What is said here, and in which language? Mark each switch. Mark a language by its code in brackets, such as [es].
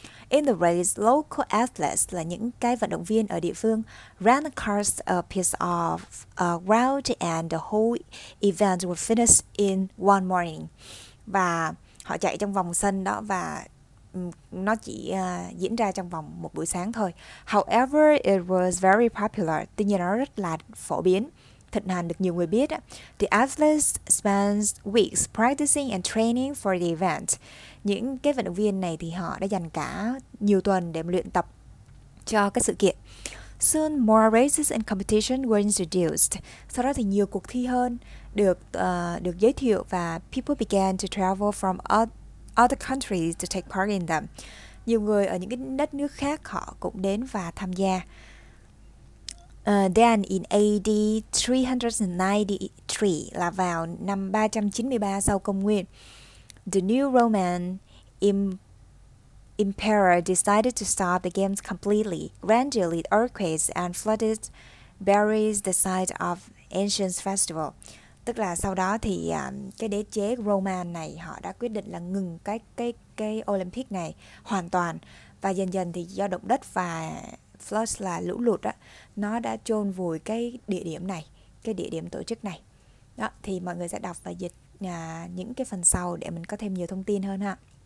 [en] In the race, local athletes, [vi] là những cái vận động viên ở địa phương, [en] ran across a piece of ground and the whole event was finished in one morning. [vi] Và họ chạy trong vòng sân đó và nó chỉ diễn ra trong vòng một buổi sáng thôi. [en] However, it was very popular. [vi] Tuy nhiên nó rất là phổ biến, thịnh hành, được nhiều người biết. [en] The athletes spent weeks practicing and training for the event. [vi] Những cái vận động viên này thì họ đã dành cả nhiều tuần để luyện tập cho cái sự kiện. [en] Soon more races and competitions were introduced. [vi] Sau đó thì nhiều cuộc thi hơn được giới thiệu và [en] people began to travel from other countries to take part in them. [vi] Nhiều người ở những cái đất nước khác họ cũng đến và tham gia. [en] Then in AD 393, [vi] là vào năm 393 sau công nguyên, [en] the new Roman emperor decided to stop the games completely. Gradually, earthquakes and flooded buried the site of ancient festival. [vi] Tức là sau đó thì cái đế chế Roman này họ đã quyết định là ngừng cái Olympic này hoàn toàn, và dần dần thì do động đất và flood, là lũ lụt đó, nó đã chôn vùi cái địa điểm tổ chức này. Đó, thì mọi người sẽ đọc và dịch những cái phần sau để mình có thêm nhiều thông tin hơn ha.